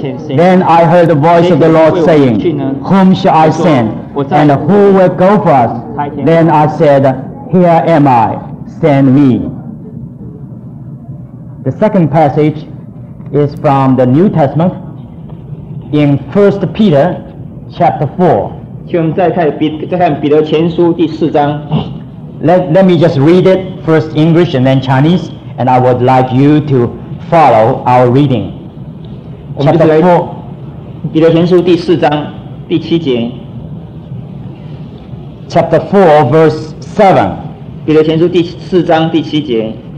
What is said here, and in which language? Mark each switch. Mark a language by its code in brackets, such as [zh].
[en] Then I heard the voice of the Lord saying, Whom shall I send, and who will go for us? Then I said, Here am I, send me. The second passage is from the New Testament in 1 Peter chapter 4. [zh] 请我们再看彼得前书第四章。 [en] Let me just read it first English and then Chinese, and I would like you to follow our reading. Chapter 4. [zh] 彼得前书第四章第七节。 [en] Chapter 4 verse 7. [zh] 彼得前书第四章第七节。